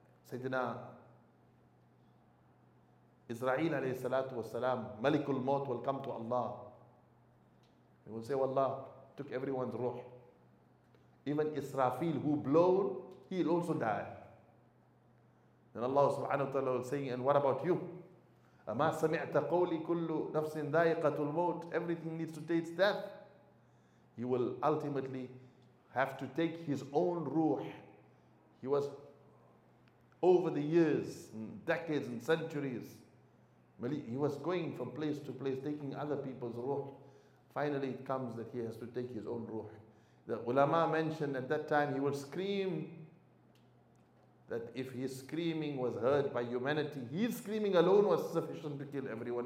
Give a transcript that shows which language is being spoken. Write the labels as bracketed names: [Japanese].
[English] Sayyidina Israel alayhi salatu wa salam, Malikul Maut will come to Allah. He will say, Allah took everyone's ruh. Even Israfil, who blown, he'll also die. Then Allah subhanahu wa ta'ala will say, and what about you? [Arabic] أَمَا سَمِعْتَ قَوْلِي كُلُّ نَفْسٍ ذَائِقَةُ الْمَوْتِ [English] Everything needs to taste death. He will ultimately have to take his own ruh. He was over the years, decades and centuries, he was going from place to place, taking other people's ruh. Finally, it comes that he has to take his own ruh. The ulama mentioned at that time, he would scream that if his screaming was heard by humanity, his screaming alone was sufficient to kill everyone.